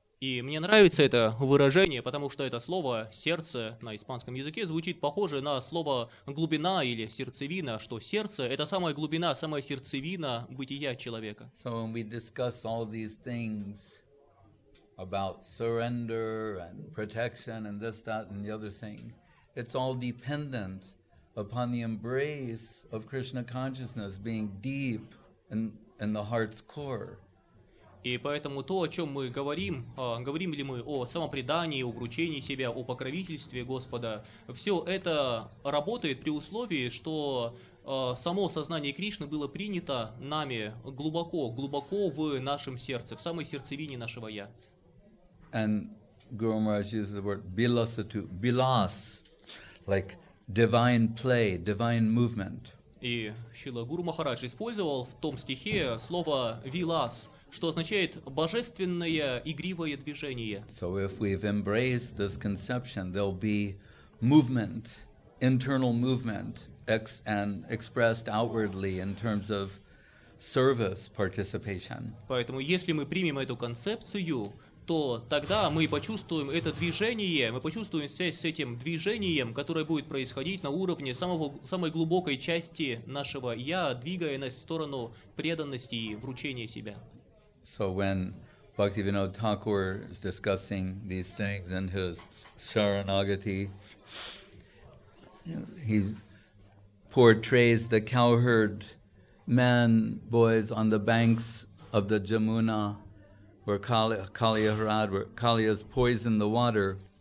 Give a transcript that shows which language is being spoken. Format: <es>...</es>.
<ru>И мне нравится это выражение, потому что это слово «сердце» на испанском языке звучит похоже на слово «глубина» или «сердцевина», что сердце — это самая глубина, самая сердцевина бытия человека.</ru> <en>So when we discuss all these things about surrender and protection and this, that, and the other thing, it's all dependent upon the embrace of Krishna consciousness being deep in the heart's core.</en> <ru>И поэтому то, о чем мы говорим, говорим ли мы о самопредании, о вручении себя, о покровительстве Господа, все это работает при условии, что само сознание Кришны было принято нами глубоко, глубоко в нашем сердце, в самой сердцевине нашего «я».</ru> <en>And Guru Maharaj uses the word bilasatu, bilas, like divine play, divine movement.</en> <ru>И Шрила Гуру Махарадж использовал в том стихе слово «вилас», что означает божественное игривое движение.</ru> <en>So if we've embraced this conception, there'll be movement, internal movement, and expressed outwardly in terms of service participation.</en> <ru>Поэтому если мы примем эту концепцию, то тогда мы почувствуем это движение, мы почувствуем связь с этим движением, которое будет происходить на уровне самой глубокой части нашего «я», двигая нас в сторону преданности и вручения себя.</ru> <en>So when Bhaktivinoda Thakur is discussing these things in his Saranagati, he portrays the cowherd men, boys on the banks of the Jamuna, where Kaliya's poisoned the water.</en>